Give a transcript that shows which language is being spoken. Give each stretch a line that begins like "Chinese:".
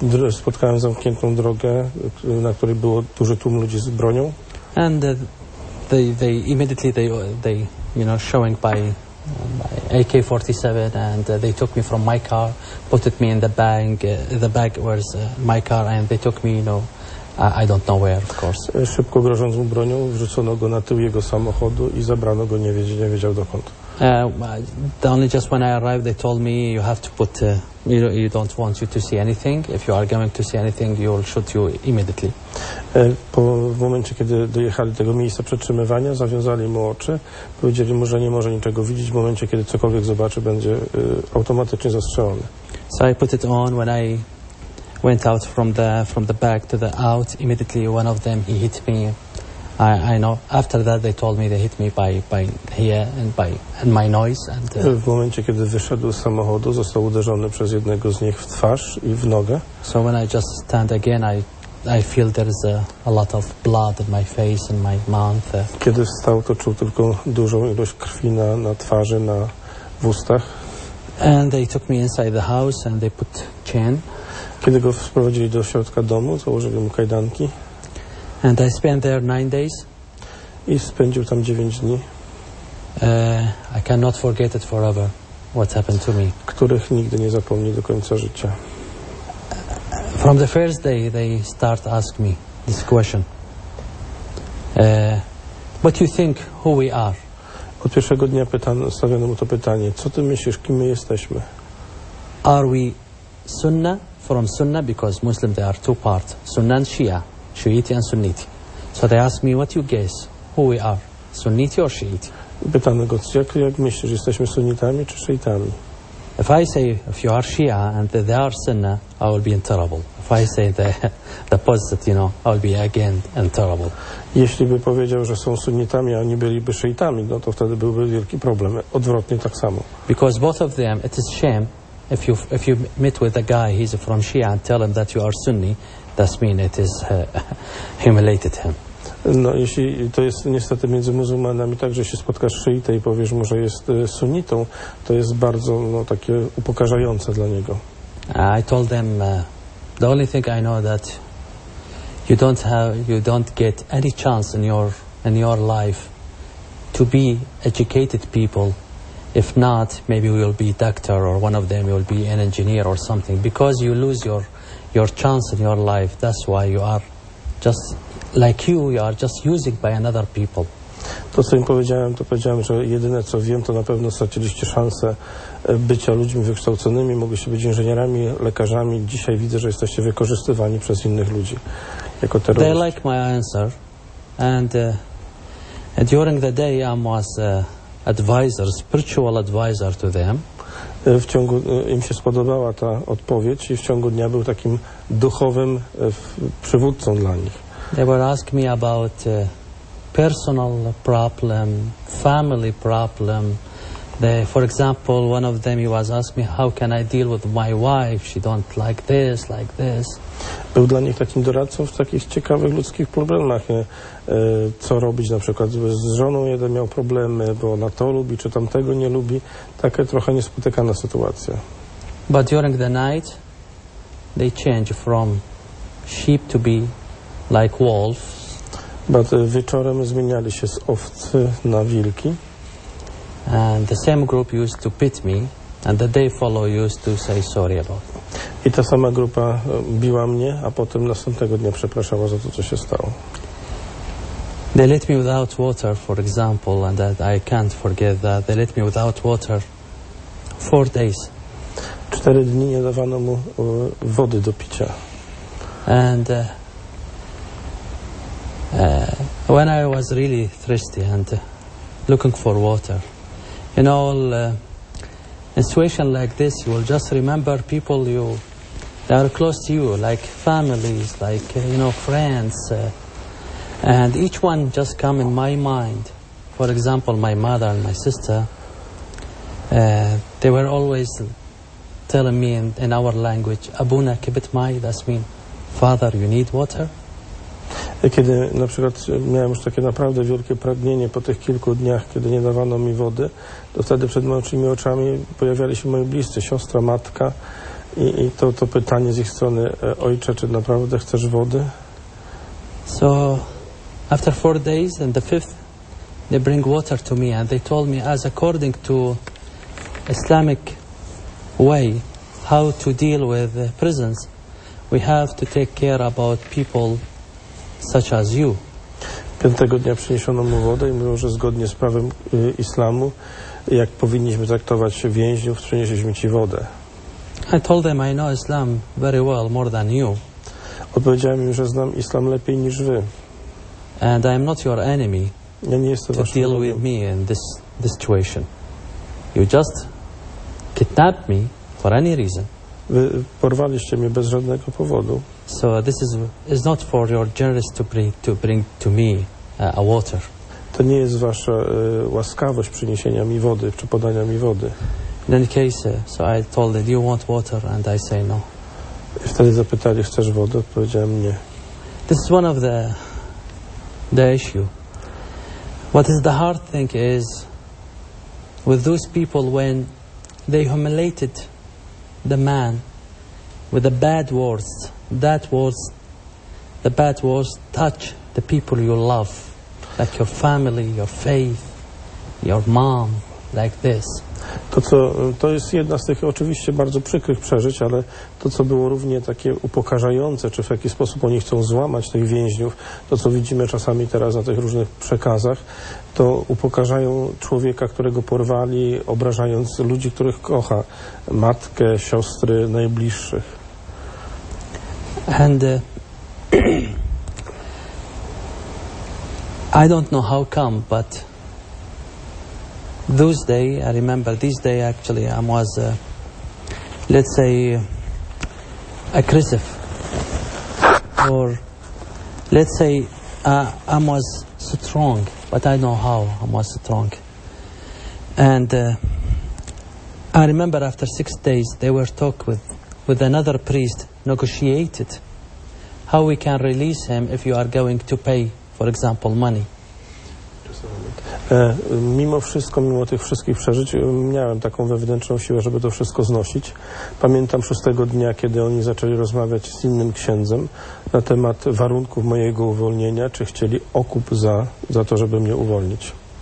Polish: Spotkałem zamkniętą drogę, na której było duży tłum ludzi z bronią.
English: And they immediately they you know, showing by AK-47, and they took me from my car, put me in the bag. The bag was my car, and they took me, you know, I don't know where, of course.
Polish: Szybko grożąc mu bronią, wrzucono go na tył jego samochodu i zabrano go, nie wiedział dokąd.
English: Only just when I arrived, they told me you have to put, you don't want you to see anything. If you are going to see anything, you will shoot you immediately.
Polish: W momencie, kiedy dojechali do tego miejsca przetrzymywania, zawiązali mu oczy, powiedzieli mu, że nie może niczego widzieć. W momencie, kiedy cokolwiek zobaczy, będzie automatycznie zastrzelony.
English: So I put it on when I went out from the back to the out. Immediately, one of them he hit me. I know. After that, they told me they hit me by here and my nose.
Polish: W momencie, kiedy wyszedł z samochodu, został uderzony przez jednego z nich w twarz i w nogę.
English: So when I just stand again, I feel there's a lot of blood in my face and my mouth.
Polish: Kiedy wstał, to czuł tylko dużą ilość krwi na twarzy, na w ustach.
English: And they took me inside the house and they put chain.
Polish: Kiedy go wprowadzili do środka domu, założyli mu kajdanki.
English: And I spent there 9 days.
Polish: I spędził tam 9 dni.
English: I cannot forget it forever, what happened to me.
Polish: Których nigdy nie zapomnię do końca życia.
English: From the first day, they start ask me this question. What do you think who we are?
Polish: Od pierwszego dnia stawiono mu to pytanie. Co ty myślisz, kim my jesteśmy?
English: Are we Sunnah? From Sunnah, because Muslim there are two parts, Sunnah and Shia, Shiiti and Sunniti. So they ask me, what you guess, who we are, Sunniti or Shiiti?
Polish: Pytano go, jak myślisz, jesteśmy Sunnitami czy Shiitami?
English: If I say, if you are Shia and that they are Sunnah, I will be in trouble. If I say the opposite, you know, I will be again in trouble.
Polish: Jeśli by powiedział, że są Sunnitami, a oni byliby Shiitami, no to wtedy byłby wielki problem, odwrotnie tak samo.
English: Because both of them, it is shame. If you meet with a guy, he's from Shia, and tell him that you are Sunni, that means it is humiliated him.
Polish: No, jeśli to jest niestety między muzułmanami tak, że się spotkasz z szyitą i powiesz mu, że jest sunnitą, to jest bardzo no, takie upokarzające dla niego.
English: I told them, the only thing I know that you don't get any chance in your life to be educated people. If not, maybe we will be a doctor or one of them will be an engineer or something. Because you lose your chance in your life, that's why you are just like you are just used by another people.
Polish: To co im powiedziałem, to powiedziałem, że jedyne co wiem, to na pewno straciliście szansę bycia ludźmi wykształconymi, mogliście być inżynierami, lekarzami. Dzisiaj widzę, że jesteście wykorzystywani przez innych ludzi jako terroryści.
English: They like my answer. And during the day I'm was advisor, spiritual advisor to them.
Polish: W ciągu im się spodobała ta odpowiedź i w ciągu dnia był takim duchowym przywódcą dla nich.
English: They were asking me about personal problem, family problem. For example, one of them he was asking me, how can I deal with my wife? She don't like this.
Polish: Był dla nich takim doradcą w takich ciekawych ludzkich problemach. Co robić na przykład z żoną, jeden miał problemy, bo ona to lubi, czy tamtego nie lubi. Takie trochę niespotykana sytuacja.
English: But during the night, they change from sheep to be like wolves.
Polish: But wieczorem zmieniali się z owcy na wilki.
English: And the same group used to pit me, and the day follow used to say sorry about it.
Polish: I ta sama grupa biła mnie, a potem następnego dnia przepraszała za to, co się stało.
English: They let me without water, for example, and that I can't forget that. They let me without water 4 days.
Polish: 4 dni nie dawano mu wody do picia.
English: And when I was really thirsty and looking for water, you know, in a situation like this, you will just remember people you that are close to you, like families, like you know, friends. And each one just come in my mind. For example, my mother and my sister, they were always telling me in our language,
Arabic: Abuna kibit mai,
English: that's mean, father, you need water.
Polish: Kiedy na przykład miałem już takie naprawdę wielkie pragnienie po tych kilku dniach, kiedy nie dawano mi wody, to wtedy przed moimi oczami pojawiali się moi bliscy, siostra, matka i to pytanie z ich strony, ojcze, czy naprawdę chcesz wody?
English: So, after 4 days and the fifth, they bring water to me and they told me as according to Islamic way how to deal with prisons, we have to take care about people such as you.
Polish: Piątego dnia przyniesiono mu wodę i mówią, że zgodnie z prawem islamu, jak powinniśmy traktować więźniów, przynieśliśmy ci wodę.
English: I told them I know Islam very well, more than you.
Polish: Odpowiedziałem im, że znam islam lepiej niż wy.
English: And I am not your enemy.
Polish: Ja nie jestem waszym wrogiem.
English: To deal with me in this situation. You just kidnapped me for any reason.
Polish: Wy porwaliście mnie bez żadnego powodu.
English: So this is not for your generous to bring to me a water.
Polish: To nie jest wasza łaskawość przyniesienia mi wody czy podania mi wody.
English: In any case, so I told them, you want water, and I say no.
Polish: I wtedy zapytali, chcesz wody? Powiedziałem nie.
English: This is one of the issue. What is the hard thing is with those people when they humiliated the man with the bad words. That was the bad words touch the people you love, like your family, your faith, your mom, like this.
Polish: To jest jedna z tych oczywiście bardzo przykrych przeżyć, ale to, co było równie takie upokarzające, czy w jakiś sposób oni chcą złamać tych więźniów, to, co widzimy czasami teraz na tych różnych przekazach, to upokarzają człowieka, którego porwali, obrażając ludzi, których kocha, matkę, siostry, najbliższych.
English: And I don't know how come, but those day, I remember this day actually, I was, let's say, aggressive, or let's say, I was strong, but I know how I was strong. And I remember after 6 days, they were talking with another priest, negotiated how we can release him if you are going to pay, for example, money.
Polish: Mimo wszystko, mimo tych wszystkich przeżyć, miałem taką wewnętrzną siłę, żeby to wszystko znosić. Pamiętam 6. dnia, kiedy oni zaczęli rozmawiać z innym księdzem na temat warunków mojego uwolnienia, czy chcieli okup za to, żeby mnie uwolnić.